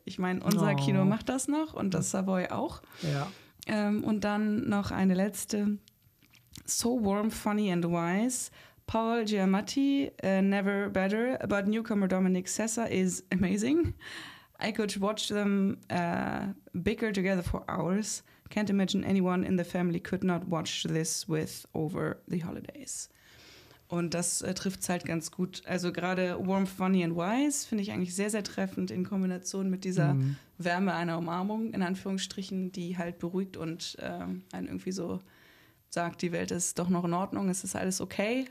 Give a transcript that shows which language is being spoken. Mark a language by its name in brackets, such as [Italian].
[German] Ich meine, unser Kino macht das noch und das Savoy auch. Ja. Und dann noch eine letzte, [English] so warm, funny and wise. Paul Giamatti, never better, but newcomer Dominic Sessa is amazing. I could watch them bicker together for hours. Can't imagine anyone in the family could not watch this with over the holidays. [German] Und das trifft es halt ganz gut. Also gerade [English] Warmth, Funny and Wise [German] finde ich eigentlich sehr, sehr treffend in Kombination mit dieser Wärme einer Umarmung, in Anführungsstrichen, die halt beruhigt und einen irgendwie so sagt, die Welt ist doch noch in Ordnung, es ist alles okay.